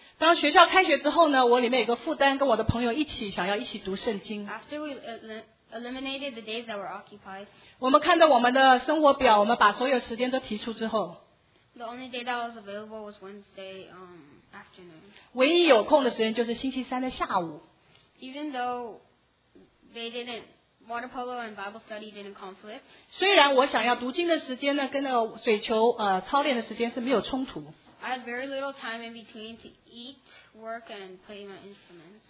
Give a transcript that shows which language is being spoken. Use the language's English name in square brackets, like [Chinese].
[Chinese] 当学校开学之后呢，我里面有个负担，跟我的朋友一起想要一起读圣经。 [English] After we eliminated the days that were occupied, [Chinese] 我们看到我们的生活表，我们把所有时间都提出之后。 [English] The only day that was available was Wednesday afternoon. [Chinese] 唯一有空的时间就是星期三的下午。 [English] Even though they didn't. Water polo and Bible study didn't conflict. [Chinese] 虽然我想要读经的时间呢，跟那个水球操练的时间是没有冲突。 [English] I had very little time in between to eat, work, and play my instruments.